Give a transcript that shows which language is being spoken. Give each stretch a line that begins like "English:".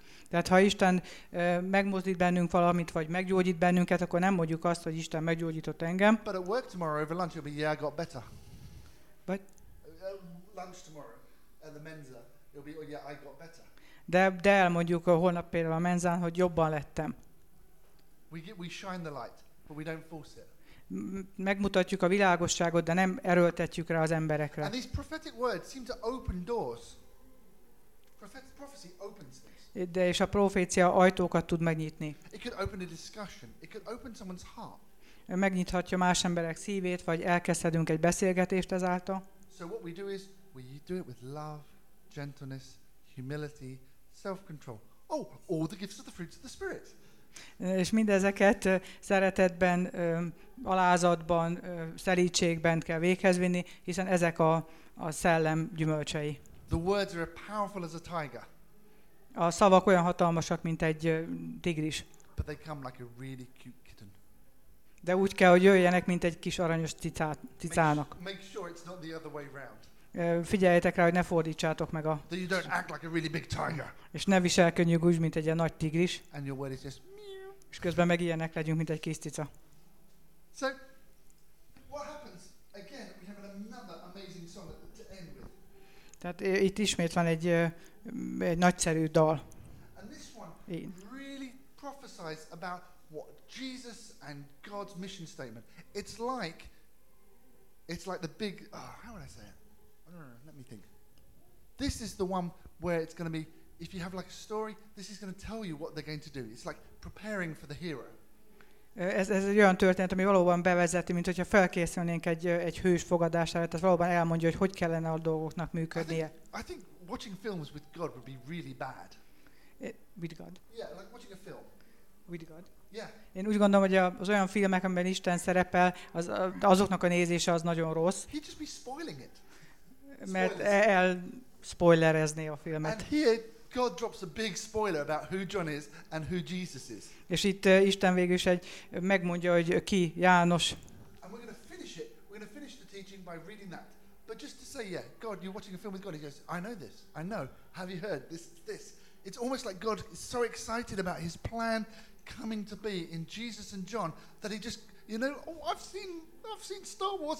Hungarian: Tehát ha Isten megmozdít bennünk valamit, vagy meggyógyít bennünket, akkor nem mondjuk azt, hogy Isten meggyógyított engem.
English: But at work tomorrow over lunch you'll be, yeah, I got better. But? Lunch tomorrow at the menza, you'll be, oh yeah, I got better.
Hungarian: De elmondjuk a holnap például a menzán, hogy jobban lettem.
English: We shine the light, but we don't force it.
Hungarian: Megmutatjuk a világosságot, de nem erőltetjük rá az emberekre.
English: And these prophetic words seem to open doors. Prophecy opens things.
Hungarian: De és a profécia ajtókat tud megnyitni.
English: It could open a discussion. It could open someone's heart.
Hungarian: Megnyithatja más emberek szívét, vagy elkezdhetünk egy beszélgetést ezáltal.
English: So what we do is we do it with love, gentleness, humility, self-control. Oh, all the gifts of the fruits of the Spirit.
Hungarian: És mindezeket szeretetben, alázatban, szelídségben kell véghez vinni, hiszen ezek a szellem gyümölcsei.
English: The words are powerful as a tiger.
Hungarian: A szavak olyan hatalmasak, mint egy tigris.
English: But they come like a really cute kitten.
Hungarian: De úgy kell, hogy jöjjenek, mint egy kis aranyos cicának.
English: Make sure it's not the other way round.
Hungarian: Figyeljetek rá, hogy ne fordítsátok meg a...
English: That you don't act like a really big tiger.
Hungarian: És ne viselkedjünk úgy, mint egy nagy tigris.
English: And your word is just...
Hungarian: És közben meg ilyenek legyünk, mint egy kis cica.
English: So, what happens? Again, we have another amazing song to end with.
Hungarian: Tehát itt ismét van egy, egy nagyszerű dal.
English: And this one really prophesies about what Jesus and God's mission statement. It's like the big... how would I say it? Let me think. This is the one where it's going to be, if you have like a story, this is going to tell you what they're going to do. It's like preparing for the hero.
Hungarian: Ez egy olyan történet, ami valóban bevezeti, mint hogyha felkészülnénk egy hős fogadására, tehát valóban elmondja, hogy hogy kellene a dolgoknak működnie.
English: I think watching films with God would be really bad. With God? Yeah, like watching a film. With God? Yeah.
Hungarian: Én úgy gondolom, hogy az olyan filmek, amiben Isten szerepel, azoknak a nézése az nagyon rossz.
English: He'd just be spoiling it.
Hungarian: Mert elspoilerezné a filmet.
English: And here God drops a big spoiler about who John is and who Jesus is.
Hungarian: És itt Isten végül is egy megmondja, hogy ki János.
English: And we're going to finish it. We're going to finish the teaching by reading that. But just to say, yeah, God, you're watching a film with God. He goes, I know this. I know. Have you heard this? It's almost like God is so excited about his plan coming to be in Jesus and John that he just, you know, oh, I've seen Star Wars.